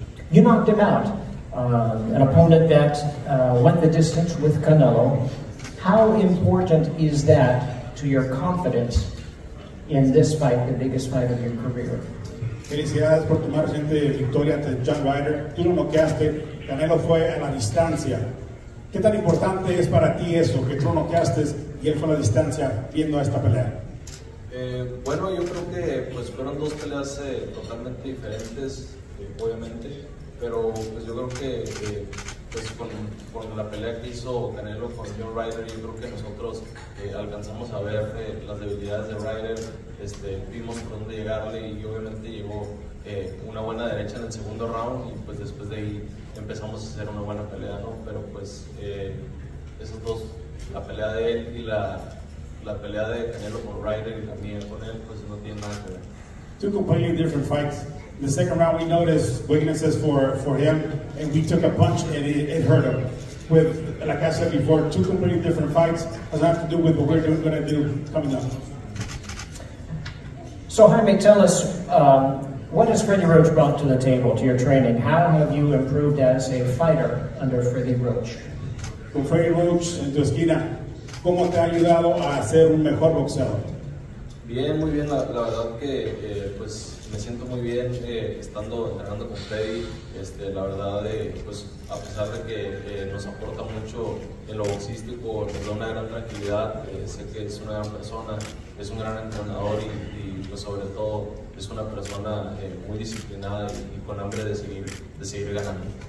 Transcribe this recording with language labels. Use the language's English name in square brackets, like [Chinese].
[English] You knocked him out, an opponent that went the distance with Canelo. How important is that to your confidence in this fight, the biggest fight of your career? [Spanish] Felicidades por tomar gente de victoria ante John Ryder. Tú lo noqueaste, Canelo fue a la distancia. ¿Qué tan importante es para ti eso, que tú lo noqueaste y él fue a la distancia viendo esta pelea? Bueno, yo creo que pues fueron dos peleas totalmente diferentes, obviamente, pero pues yo creo que pues con la pelea que hizo Canelo con John Ryder, yo creo que nosotros alcanzamos a ver las debilidades de Ryder, vimos por dónde llegarle y obviamente llegó una buena derecha en el segundo round y pues después de ahí empezamos a hacer una buena pelea, ¿no? Pero pues esos dos, la pelea de él y la pelea de Canelo con Ryder y también con él, pues no tiene nada que ver. [English] Two completely different fights. The second round, we noticed weaknesses for him, and we took a punch, and it hurt him. With, like I said before, two completely different fights. It doesn't have to do with what we're going to do coming up. So, Jaime, tell us, what has Freddie Roach brought to the table, to your training? How have you improved as a fighter under Freddie Roach? [Spanish] Con Freddie Roach en tu esquina, ¿cómo te ha ayudado a ser un mejor boxeador? Bien, muy bien, la verdad que pues me siento muy bien estando entrenando con Freddy. La verdad, pues a pesar de que nos aporta mucho en lo boxístico, nos da una gran tranquilidad, sé que es una gran persona, es un gran entrenador y pues sobre todo es una persona muy disciplinada y con hambre de seguir ganando.